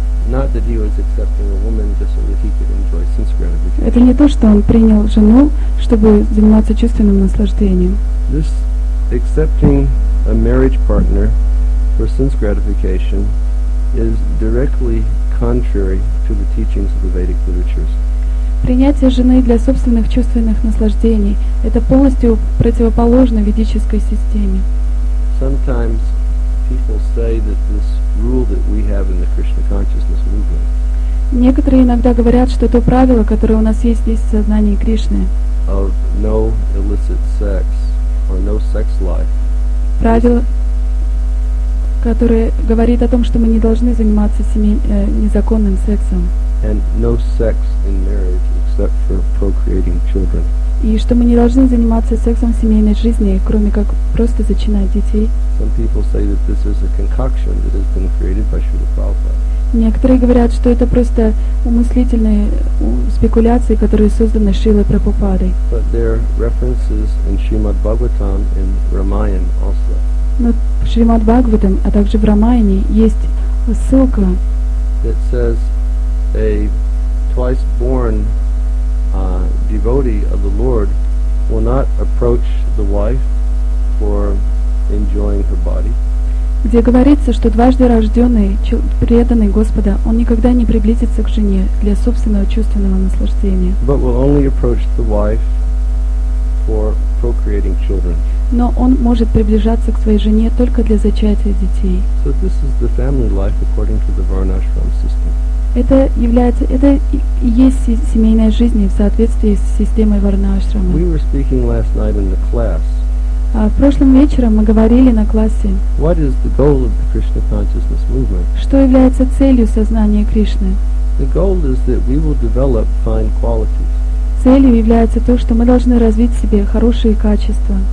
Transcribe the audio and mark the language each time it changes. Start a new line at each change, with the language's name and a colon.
English: Not that he was accepting a woman just so that he could enjoy sense gratification.
Russian: Это не то, что он принял жену, чтобы заниматься чувственным наслаждением.
English: This accepting a marriage partner for sense gratification is directly contrary to the teachings of the Vedic literatures.
Russian: Принятие жены для собственных чувственных наслаждений — это полностью противоположно ведической системе.
English: Sometimes people say that this rule that we have in the Krishna consciousness movement.
Russian: Некоторые иногда говорят, что то правило, которое у нас есть здесь в сознании Кришны.
English: Of no illicit sex or no sex life.
Russian: Правило, которое говорит о том, что мы не должны заниматься незаконным сексом.
English: And no sex in marriage except for procreating children.
Russian: И что мы не должны заниматься сексом в семейной жизни, кроме как просто зачинать детей.
English: Some people say that this is a concoction that has been created by Śrīla Prabhupāda.
Russian: Некоторые говорят, что это просто умыслительные спекуляции, которые созданы Шрилой Прабхупадой.
English: But there are references in Śrīmad Bhāgavatam and Ramayana also.
Russian: Но в Шримад Бхагаватам, а также в Рамаяне есть ссылка.
English: That says a twice born devotee of the Lord will not approach the wife for enjoying her body.
Russian: Где говорится, что дважды рожденный преданный Господа, он никогда не приблизится к жене для собственного чувственного наслаждения.
English: But will only approach the wife for procreating children.
Russian: Но он может приближаться к своей жене только для зачатия детей.
English: So this is the family life according to the Varnashram system.
Russian: Это и есть семейная жизнь в соответствии с системой Варнашрама.
English: We were speaking last night in the class.
Russian: В прошлом вечером мы говорили на классе.
English: What is the goal of the Krishna consciousness movement?
Russian: Что является целью сознания Кришны?
English: The goal is that we will develop fine qualities.
Russian: Целью является то, что мы должны развить в себе хорошие качества.